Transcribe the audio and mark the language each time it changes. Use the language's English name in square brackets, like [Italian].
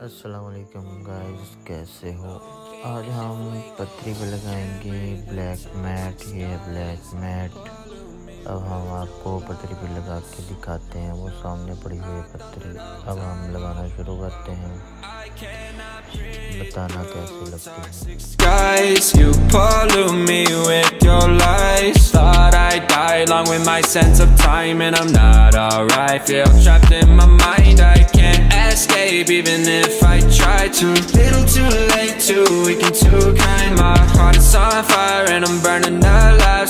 [Hindi] Assalamualaikum guys, कैसे हो? आज हम पत्री पे लगाएंगे ब्लैक मैट. ये ब्लैक मैट अब हम आपको पत्री पे लगा के दिखाते हैं. वो सामने पड़ी हुई पत्री अब हम लगाना शुरू करते हैं. बताना कैसे लगती है. [English] You pollute me with your lies. Thought I'd die along with my sense of time and I'm not alright. Feel trapped in my mind. I can't escape even if I try to. Little too late, too weak and too kind. My heart is on fire and I'm burning alive.